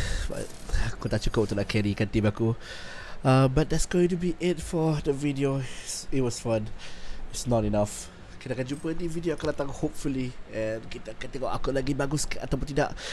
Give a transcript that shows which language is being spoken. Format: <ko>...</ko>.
<ms>But aku tak cukup untuk nak carrykan team aku.</ms> <en>But that's going to be it for the video. It was fun. It's not enough.</en> <ms>Kita akan jumpa di video akan datang, hopefully. And kita akan tengok aku lagi bagus ke ataupun tidak.</ms>